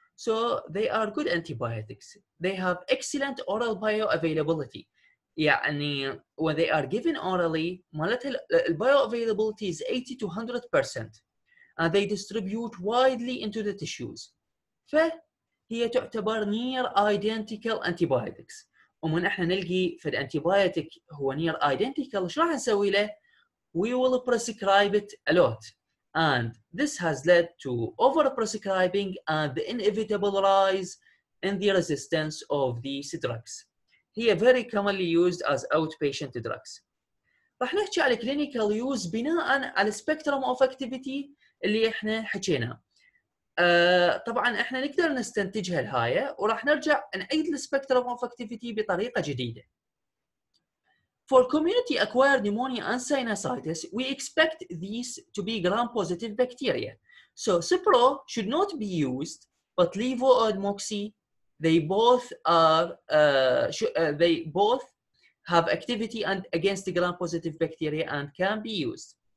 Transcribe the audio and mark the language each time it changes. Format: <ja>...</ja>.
<en>So they are good antibiotics. They have excellent oral bioavailability.</en> <ar>يعني</ar> <en>when they are given orally</en> <ar>مالتها</ar> <en>bioavailability is 80 to 100% and they distribute widely into the tissues.</en> <ar>فهي تعتبر</ar> <en>near identical antibiotics.</en> <ar>ومن احنا نلقي في الانتيبايتك هو</ar> <en>near identical</en> <ar>شو راح نسوي له؟</ar> <en>We will prescribe it a lot. And this has led to over-prescribing and the inevitable rise in the resistance of these drugs.</en> <ar>هي</ar> <en>very commonly used as outpatient drugs.</en> <ar>رح نحكي على</ar> <en>clinical use</en> <ar>بناء على</ar> <en>spectrum of activity</en> <ar>اللي احنا حكينا. طبعا احنا نقدر نستنتجها الهاية ورح نرجع نعيد</ar> <en>spectrum of activity</en> <ar>بطريقة جديدة.</ar> <en>For community acquired pneumonia and sinusitis, we expect these to be gram-positive bacteria. So cipro should not be used, but levo and moxi, they both are they both have activity and against the gram-positive bacteria and can be used.</en>